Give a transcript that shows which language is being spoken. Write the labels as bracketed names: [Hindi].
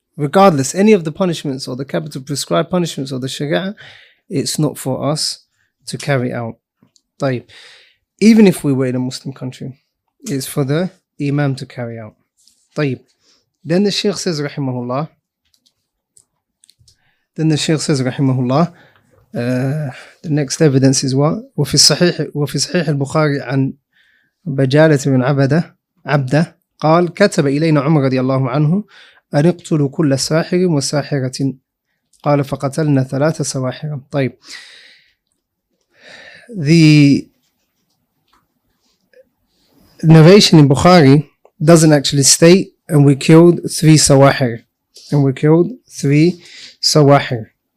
[English] Regardless, any of the punishments or the capital prescribed punishments or the Sharia, it's not for us to carry out. [Arabic] طيب. [English] Even if we were in a Muslim country, it's for the Imam to carry out. [Arabic] طيب. [English] Then the Shaykh says, [Arabic] رحمه الله, [English] the next evidence is what? [Arabic] وفي صحيح البخاري عن بجالة بن عبدة قال كتب إلينا عمر رضي الله عنه أن اقتلوا كل ساحر وساحرة قال فقتلنا ثلاثة سواحر. [English] طيب, the narration in Bukhari doesn't actually state and we killed three سواحر. and we killed three sawahir.